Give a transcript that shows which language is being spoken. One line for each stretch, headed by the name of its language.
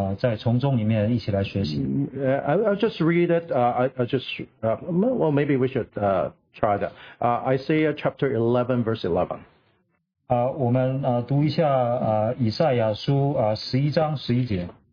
Chinese: 感谢主给我们机会，我们能够在从中里面一起来学习。
English: I'll just read it. Maybe we should try that. Isaiah chapter 11, verse 11.
Chinese: 我们读一下以赛亚书11章11节。